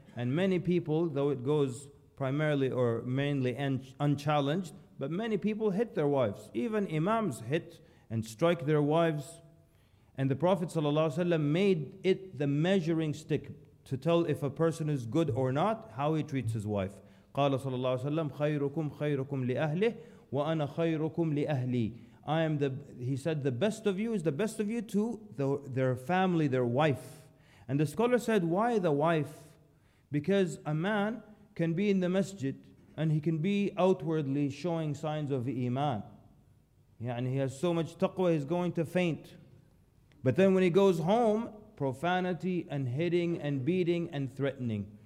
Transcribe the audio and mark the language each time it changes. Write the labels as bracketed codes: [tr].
[en] And many people, though it goes primarily or mainly unchallenged, but many people hit their wives. Even imams hit and strike their wives. And the Prophet ﷺ made it the measuring stick to tell if a person is good or not, how he treats his wife. [ar] قال صلى الله عليه وسلم خيركم خيركم لأهله وأنا خيركم لأهلي. [en] I am the, he said, the best of you is the best of you to the, their family, their wife. And the scholar said, why the wife? Because a man can be in the masjid and he can be outwardly showing signs of iman. Yeah, and he has so much taqwa, he's going to faint. But then when he goes home, profanity and hitting and beating and threatening.